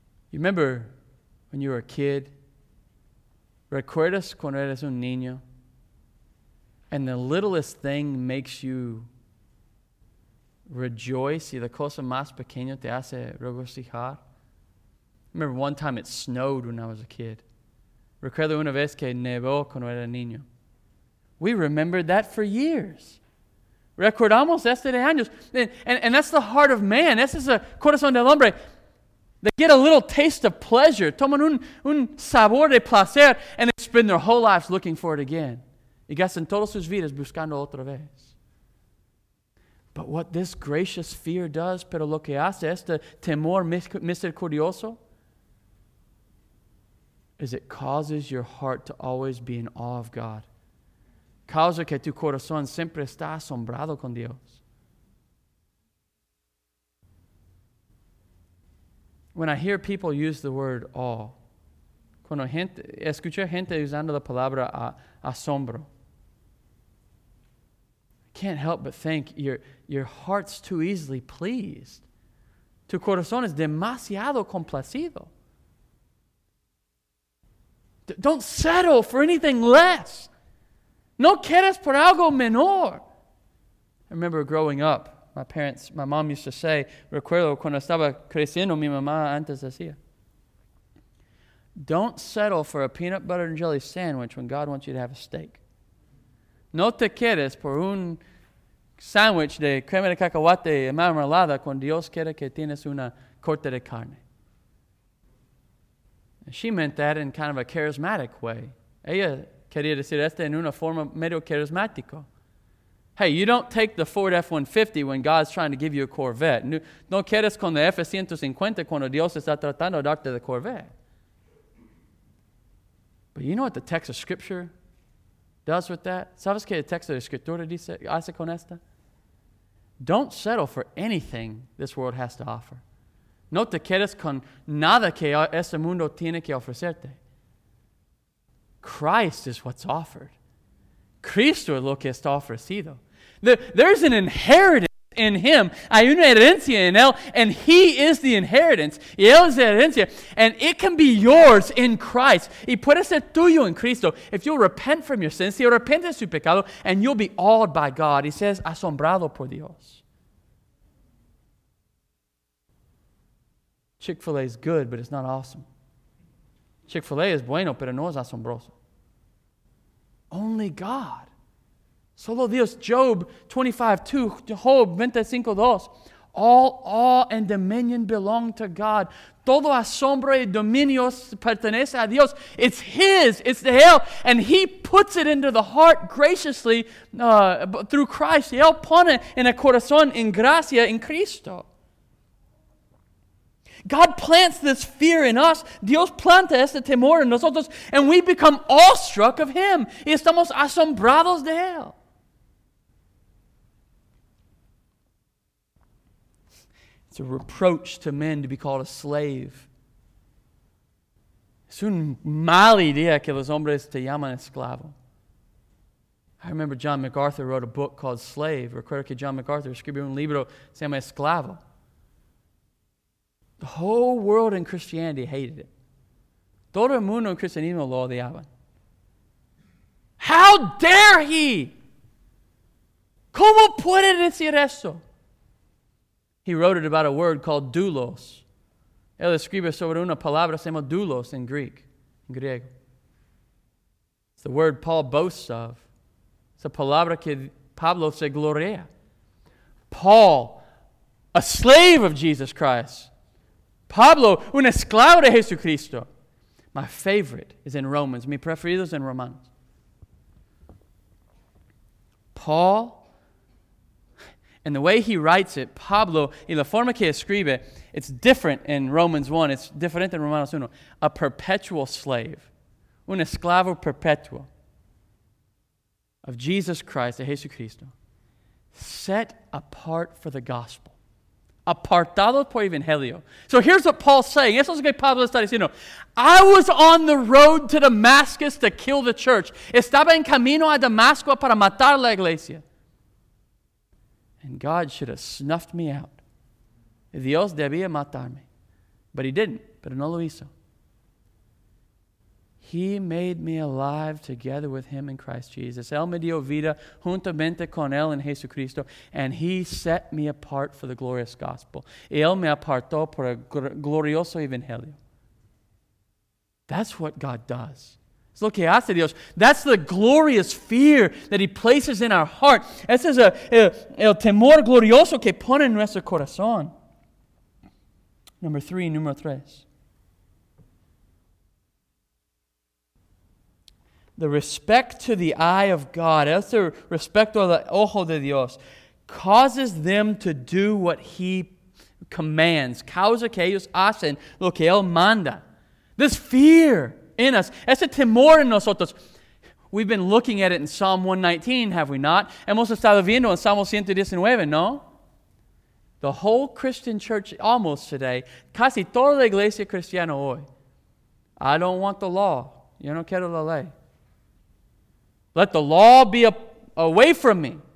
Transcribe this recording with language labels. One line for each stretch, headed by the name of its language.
English: You remember when you were a kid?
Spanish: ¿Recuerdas cuando eras un niño?
English: And the littlest thing makes you rejoice.
Spanish: Y la cosa más pequeña te hace regocijar.
English: Remember one time it snowed when I was a kid.
Spanish: Recuerdo una vez que nevó cuando era niño.
English: We remembered that for years.
Spanish: Recordamos este de años.
English: And that's the heart of man.
Spanish: Ese es el corazón del hombre.
English: They get a little taste of pleasure.
Spanish: Toman un sabor de placer.
English: And they spend their whole lives looking for it again.
Spanish: Y gastan todas sus vidas buscando otra vez.
English: But what this gracious fear does,
Spanish: pero lo que hace este temor misericordioso,
English: is it causes your heart to always be in awe of God.
Spanish: Causa que tu corazón siempre está asombrado con Dios.
English: When I hear people use the word awe,
Spanish: cuando escucho gente usando la palabra asombro,
English: I can't help but think your heart's too easily pleased.
Spanish: Tu corazón es demasiado complacido.
English: Don't settle for anything less.
Spanish: No quieres por algo menor.
English: I remember growing up, my mom used to say,
Spanish: recuerdo cuando estaba creciendo, mi mamá antes decía,
English: don't settle for a peanut butter and jelly sandwich when God wants you to have a steak.
Spanish: No te quieres por un sandwich de crema de cacahuate y marmalada cuando Dios quiere que tienes una corte de carne.
English: And she meant that in kind of a charismatic way.
Spanish: Ella quería decir esto en una forma medio charismático.
English: Hey, you don't take the Ford F-150 when God's trying to give you a Corvette.
Spanish: No quieres con el F-150 cuando Dios está tratando de darte la Corvette.
English: But you know what the text of Scripture does with that?
Spanish: ¿Sabes qué el texto de Escritura dice, hace con esta?
English: Don't settle for anything this world has to offer.
Spanish: No te quedes con nada que este mundo tiene que ofrecerte.
English: Christ is what's offered.
Spanish: Cristo es lo que está ofrecido.
English: There's an inheritance in him.
Spanish: Hay una herencia en él,
English: and he is the inheritance.
Spanish: Y él es la herencia.
English: And it can be yours in Christ.
Spanish: Y puede ser tuyo en Cristo.
English: If you'll repent from your sins,
Spanish: si arrepentes su pecado,
English: and you'll be awed by God. He says,
Spanish: asombrado por Dios.
English: Chick-fil-A is good, but it's not awesome.
Spanish: Chick-fil-A es bueno, pero no es asombroso.
English: Only God.
Spanish: Solo Dios.
English: Job 25:2. Job 25:2. All awe and dominion belong to God.
Spanish: Todo asombro y dominio pertenece a Dios.
English: It's His. It's the
Spanish: Él.
English: And He puts it into the heart graciously through Christ.
Spanish: Y Él pone en el corazón en gracia en Cristo.
English: God plants this fear in us.
Spanish: Dios planta este temor en nosotros,
English: and we become awestruck of Him.
Spanish: Y estamos asombrados de Él.
English: It's a reproach to men to be called a slave.
Spanish: Es un mal idea que los hombres te llaman esclavo.
English: I remember John MacArthur wrote a book called Slave.
Spanish: Recuerdo que John MacArthur escribió un libro que se llama Esclavo.
English: The whole world in Christianity hated it.
Spanish: Todo el mundo en cristianismo lo odiaba.
English: How dare he?
Spanish: ¿Cómo puede decir eso?
English: He wrote it about a word called doulos.
Spanish: Él escribe sobre una palabra que se llama doulos en
English: Greek,
Spanish: en griego.
English: It's the word Paul boasts of. It's a
Spanish: palabra que Pablo se gloria.
English: Paul, a slave of Jesus Christ.
Spanish: Pablo, un esclavo de Jesucristo.
English: My favorite is in Romans.
Spanish: Mi preferido es en Romanos.
English: Paul, and the way he writes it,
Spanish: Pablo, y la forma que escribe,
English: it's different in Romans 1. It's different in Romanos 1. A perpetual slave.
Spanish: Un esclavo perpetuo.
English: Of Jesus Christ,
Spanish: de Jesucristo.
English: Set apart for the gospel.
Spanish: Apartado por evangelio.
English: So here's what Paul's saying.
Spanish: Eso es lo que Pablo está diciendo.
English: I was on the road to Damascus to kill the church.
Spanish: Estaba en camino a Damasco para matar la iglesia.
English: And God should have snuffed me out.
Spanish: Dios debía matarme.
English: But he didn't.
Spanish: Pero no lo hizo.
English: He made me alive together with him in Christ Jesus.
Spanish: Él me dio vida juntamente con él en Jesucristo.
English: And he set me apart for the glorious gospel.
Spanish: Y él me apartó por el glorioso evangelio.
English: That's what God does.
Spanish: Es lo que hace Dios.
English: That's the glorious fear that he places in our heart.
Spanish: Ese es el temor glorioso que pone en nuestro corazón. Número tres.
English: The respect to the eye of God,
Spanish: ese respecto al ojo de Dios,
English: causes them to do what he commands.
Spanish: Causa que ellos hacen lo que él manda.
English: This fear in us,
Spanish: ese temor en nosotros.
English: We've been looking at it in Psalm 119, have we not?
Spanish: Hemos estado viendo en Salmo 119, ¿no?
English: The whole Christian church almost today,
Spanish: casi toda la iglesia cristiana hoy.
English: I don't want the law.
Spanish: Yo no quiero la ley.
English: Let the law be away from me.